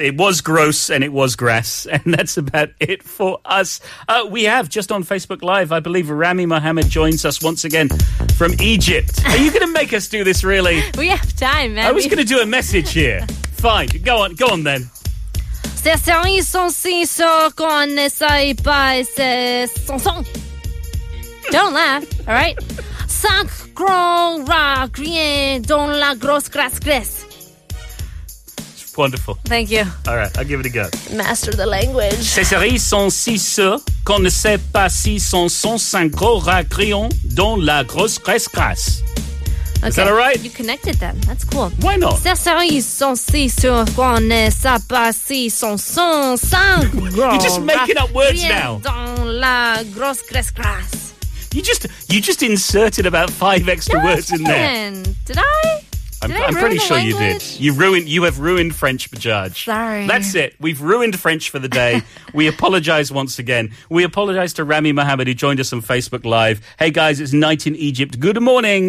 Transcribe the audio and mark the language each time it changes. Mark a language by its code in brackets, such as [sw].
[en] It was gross, and it was grass, and that's about it for us. We have, just on Facebook Live, I believe Rami Mohammed joins us once again from Egypt. Are you going to make us do this, really? We have time, man. I was going to do a message here. Fine. Go on, then. C'est ça, ils sont si sûrs qu'on ne sait pas, c'est son son. Don't laugh, all right? [fr] Cinq gros rats grillons dans la grosse graisse. [en] It's wonderful. Thank you. All right, I'll give it a go. Master the language. [fr] Ces cerises sont si sûres qu'on ne sait pas si sont son cinq gros rats grillons dans la grosse graisse. [en] Okay. Is that all right? You connected them. That's cool. Why not? [fr] Ces cerises sont si sûres qu'on ne sait pas si sont son cinq gros [en] You're just making up words now. [fr] Dans la grosse graisse. [en] You just inserted about five extra words in there. Did I? I'm pretty sure you did. You have ruined French, Bajaj. Sorry. That's it. We've ruined French for the day. We apologize once again. We apologize to Rami Mohammed, who joined us on Facebook Live. Hey, guys, it's night in Egypt. Good morning.